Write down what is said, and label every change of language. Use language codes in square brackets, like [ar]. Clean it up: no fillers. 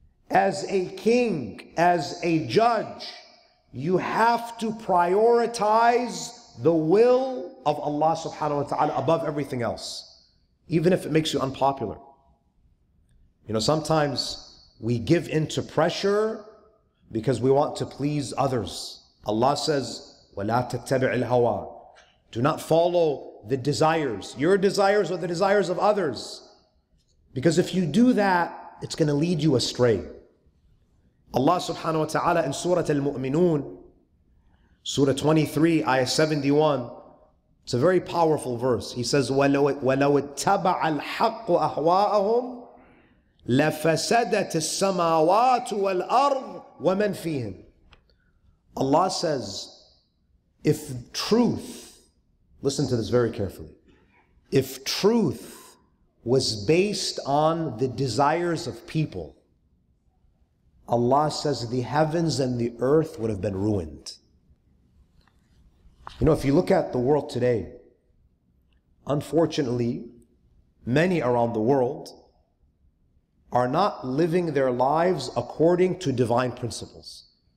[en] As a king, as a judge, you have to prioritize the will of Allah subhanahu wa ta'ala above everything else, even if it makes you unpopular. You know, sometimes we give in to pressure because we want to please others. Allah says, [ar] وَلَا تَتَّبِعِ الْهَوَى. [en] Do not follow the desires, your desires or the desires of others. Because if you do that, it's going to lead you astray. Allah subhanahu wa ta'ala in Surah Al-Mu'minun, Surah 23, Ayah 71, it's a very powerful verse. He says, [ar] وَلَوْ اتَّبَعَ الْحَقُّ أَهْوَاءَهُمْ لَفَسَدَتِ السَّمَاوَاتُ وَالْأَرْضُ وَمَنْ فِيهِمْ. [en] Allah says, if truth Listen to this very carefully. If truth was based on the desires of people, Allah says the heavens and the earth would have been ruined. You know, if you look at the world today, unfortunately, many around the world are not living their lives according to divine principles.